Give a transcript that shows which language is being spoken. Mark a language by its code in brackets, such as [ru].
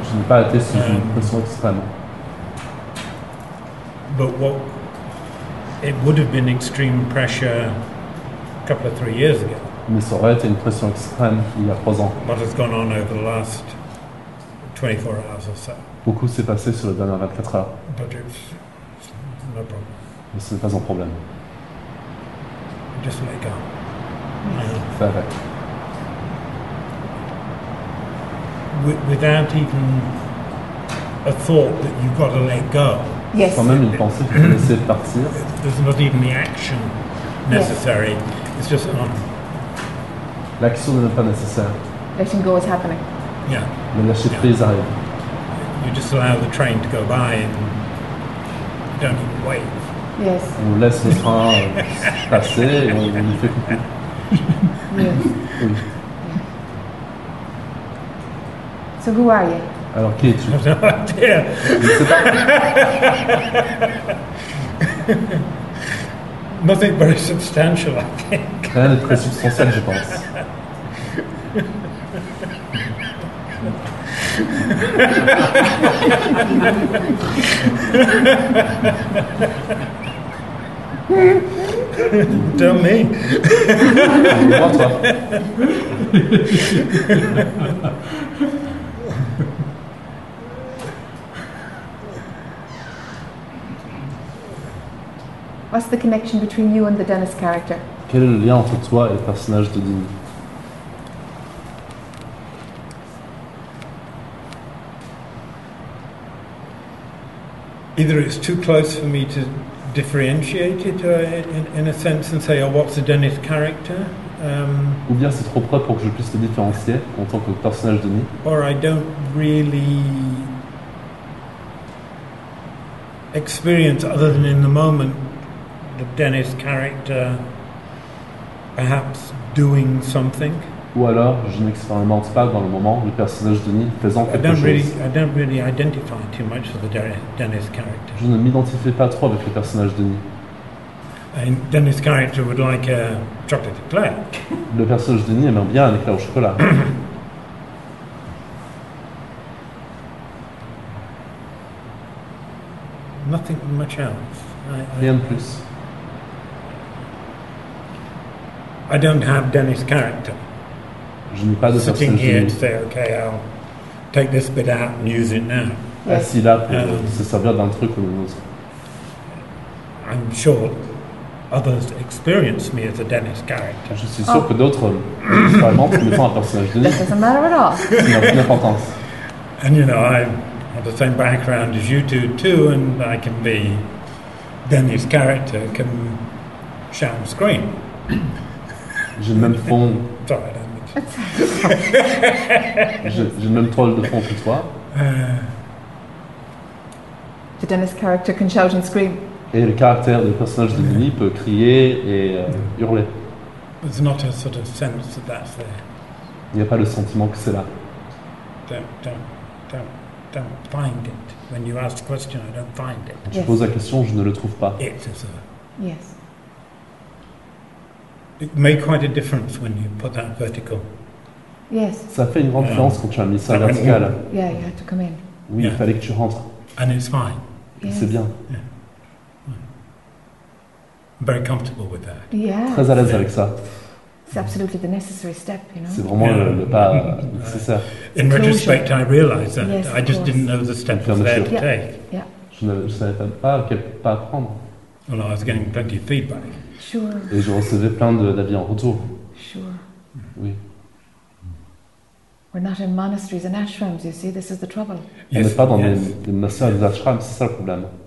[fr] Je n'ai pas été sous une pression extrême. [en] But what it would have been extreme pressure a couple of 3 years ago. [fr] mais ça aurait été une pression extrême il y a 3 ans. [en] What has gone on over the last 24 hours or so? [fr] Beaucoup s'est passé sur les dernières 24 heures. [en] But it's no problem. [fr] Mais ce n'est pas un problème. [en] Just let go. [fr] Fais avec. [en] Without even a thought that you've got to let go. Yes. [fr] Sans même une pensée que vous laissez partir. [en] There's not even the action necessary. Yes. It's just on. [fr] L'action n'est pas nécessaire. [en] Letting go is happening. Yeah. [fr] Le lâcher prise arrive. [en] You just allow the train to go by and don't even wait. Yes. [fr] On laisse le train passer et on lui fait coucou. [en] Yes. [fr] Oui. [en] So who are you? [fr] Alors qui es-tu? [en] I have no idea. Nothing very substantial, I think. [fr] Rien de très substantiel, je pense. [en] Tell me. [fr] Dis-moi, [en] what's the connection between you and the Dennis character? [fr] Quel est le lien entre toi et le personnage de Dean? [en] Either it's too close for me to differentiate it in a sense and say, oh, what's the Dennis character? [fr] Ou bien c'est trop près pour que je puisse le différencier en tant que personnage de Dean. [en] Or I don't really experience other than in the moment. The Dennis character, perhaps doing something. [fr] Ou alors, je n'expérimente pas dans le moment le personnage de Denis faisant quelque chose. [en] I don't really identify too much with the Dennis character. [fr] Je ne m'identifie pas trop avec le personnage de Denis. [en] Dennis character would like a chocolate eclair. [fr] Le personnage de Denis aimerait bien un éclair au chocolat. [en] Nothing much else. [fr] Rien de plus. [en] I don't have Dennis' character. [fr] Je n'ai pas de [en] sitting here to say, okay, I'll take this bit out and use it now. [fr] Assis là pour se servir d'un truc ou d'un autre. [en] I'm sure others experience me as a Dennis' character. [fr] Je suis sûr que d'autres expérimentent me font un personnage Dennis. [en] That doesn't matter at all. [fr] Ça n'a aucune importance. [en] And you know, I have the same background as you two too, and I can be Dennis' character, can shout and scream. [fr] J'ai le même fond. [en] Sorry, [fr] j'ai le même troll de fond que toi. [en] The Dennis character can shout and scream. [fr] Et le caractère du personnage de Denis peut crier et hurler. [en] There's not a sort of sense that that's there. [fr] Il n'y a pas le sentiment que c'est là. [en] Don't find it. When you ask the question, I don't find it. [fr] Quand tu poses la question, je ne le trouve pas. [en] It is a... Yes. It made quite a difference when you put that vertical. Yes. [fr] Ça fait une grande différence quand tu as mis ça vertical. [en] Yeah, you had to come in. [fr] Oui, [en] yeah. [fr] Il fallait que tu rentres. [en] And it's fine. Yes. [fr] C'est bien. [en] Yeah. I'm very comfortable with that. Yeah. [fr] Très à l'aise avec ça. [en] It's absolutely the necessary step, you know. [fr] C'est vraiment le pas nécessaire. [en] In retrospect, I realized that. Yes, I just didn't know the step was there to take. Yeah. [fr] Je ne savais pas quel pas prendre. [en] Well, I was getting plenty of feedback. Sure. [fr] Et je recevais plein d'avis en retour. [en] Sure. [fr] Oui. [en] We're not in monasteries and ashrams, you see, this is the trouble. [fr] On n'est pas dans des monastères et des ashrams, c'est ça le problème.